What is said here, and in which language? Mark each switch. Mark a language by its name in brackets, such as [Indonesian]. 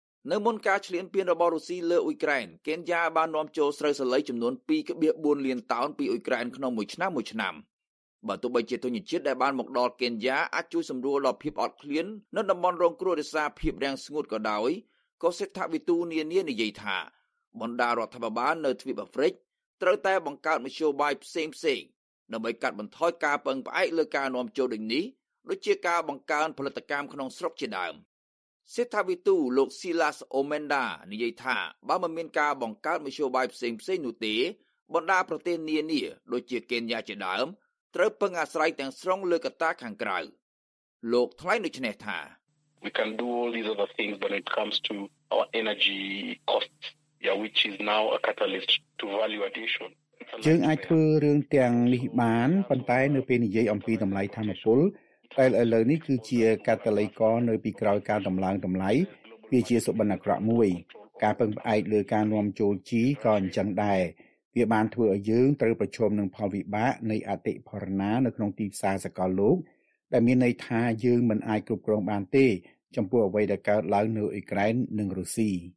[Khmer] នៅមុនការឈ្លានពានរបស់រុស្ស៊ីលើអ៊ុយក្រែនកេនយ៉ាបាននាំចូលស្រូវសាលីចំនួន 2.4 លានតោនពីអ៊ុយក្រែនក្នុងមួយឆ្នាំមួយឆ្នាំបើទោះបីជាទុនជាតិដែលបានមកដល់កេនយ៉ាអាចជួយសម្រួលដល់ភាពអត់ឃ្លាននៅតំបន់រងគ្រោះដោយសារភាពរាំងស្ងួតក៏ដោយក៏សេដ្ឋវិទូនានានិយាយថាបណ្ដារដ្ឋាភិបាលនៅទ្វីបអាហ្វ្រិកត្រូវតែបង្កើតមធ្យោបាយផ្សេងៗដើម្បីកាត់បន្ថយការពឹងផ្អែកលើការនាំចូលដូចនេះដូចជាការបង្កើនផលិតកម្មក្នុងស្រុកជាដើម សេដ្ឋវិទូលោក Silas Omenda និយាយថាបើមិនមានការបង្កើតមធ្យោបាយផ្សេងៗនោះទេបណ្ដាប្រទេសនានាដូចជាកេនយ៉ាជាដើមត្រូវពឹងអាស្រ័យទាំងស្រុងលើកត្តាខាងក្រៅលោកថ្លែងដូចនេះថា [English] We can do all these other things when it comes to our energy costs yeah which is now a catalyst to value addition [Khmer] យើងអាចធ្វើរឿងទាំងនេះបានប៉ុន្តែនៅពេលនិយាយអំពីតម្លៃធម្មជាតិតែឥឡូវនេះគឺជាកាតាលីករនៅពីក្រោយការដំឡើងតម្លៃវាជាសុបិនអាក្រក់មួយការពឹងផ្អែកលើការនាំចូលជីក៏អញ្ចឹងដែរវាបានធ្វើឲ្យយើងត្រូវប្រឈមនឹងផលវិបាកនៃអតិផរណានៅក្នុងទីផ្សារសកលលោកដែលមានន័យថាយើងមិនអាចគ្រប់គ្រងបានទេចំពោះអ្វីដែលកើតឡើងនៅអ៊ុយក្រែននិងរុស្ស៊ី